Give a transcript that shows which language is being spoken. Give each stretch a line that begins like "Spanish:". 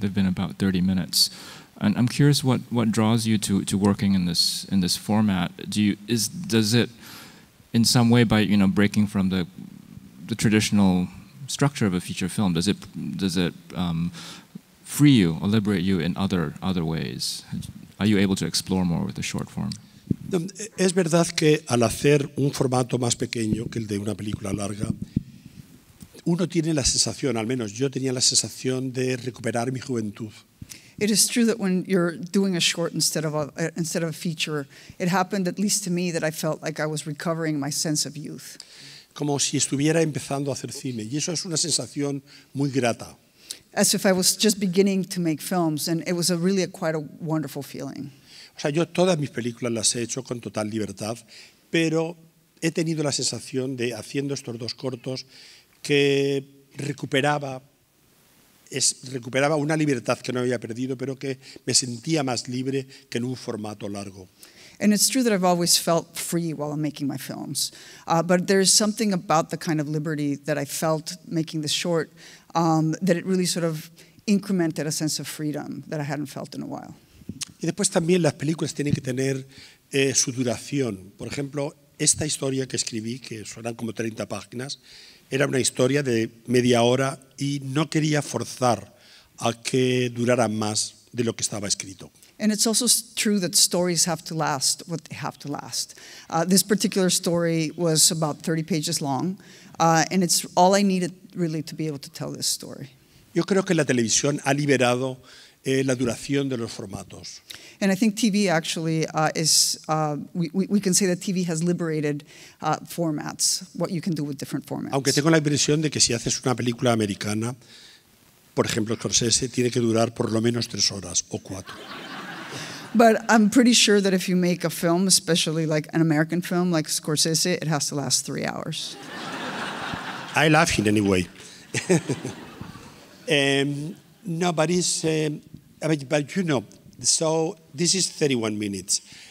English: They've been about 30 minutes. And I'm curious what draws you to working in this format. Does it in some way, by, you know, breaking from the traditional structure of a feature film, does it free you or liberate you in other ways? Are you able to explore more with the short form?
Spanish: Es verdad que al hacer un formato más pequeño que el de una película larga, uno tiene la sensación, al menos yo tenía la sensación de recuperar mi juventud.
English: It is true that when you're doing a short instead of a feature, it happened at least to me that I felt like I was recovering my sense of youth.
Spanish: Como si estuviera empezando a hacer cine, y eso es una sensación muy grata.
English: As if I was just beginning to make films, and it was quite a wonderful feeling.
Spanish: O sea, yo todas mis películas las he hecho con total libertad, pero he tenido la sensación de haciendo estos dos cortos que recuperaba es, recuperaba una libertad que no había perdido, pero que me sentía más libre que en un formato largo.
English: And it's true that I've always felt free while I'm making my films. But there's something about the kind of liberty that I felt making the short, that it really sort of incremented a sense of freedom that I hadn't felt in a while.
Spanish: Y después también las películas tienen que tener su duración. Por ejemplo, esta historia que escribí, que suenan como 30 páginas, era una historia de media hora y no quería forzar a que durara más de lo que estaba escrito.
English: And it's also true that stories have to last what they have to last. This particular story was about 30 pages long, and it's all I needed really to be able to tell this story.
Spanish: Yo creo que la televisión ha liberado la duración de los formatos.
English: And I think TV actually is, we can say that TV has liberated formats, what you can do with different formats.
Spanish: Aunque tengo la impresión de que si haces una película americana, por ejemplo, Scorsese, tiene que durar por lo menos 3 horas o 4.
English: But I'm pretty sure that if you make a film, especially like an American film like Scorsese, it has to last 3 hours. I laugh in any way. no, but it's, but you know, so this is 31 minutes.